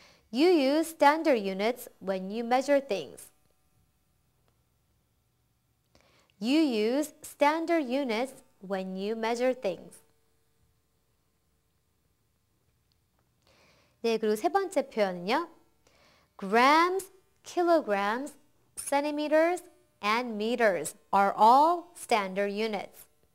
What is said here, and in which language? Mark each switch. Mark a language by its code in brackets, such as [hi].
[en] You use standard units when you measure things. You use standard units when you measure things. [ko] 네, 그리고 세 번째 표현은요. [en] Grams, kilograms, centimeters, and meters are all standard units.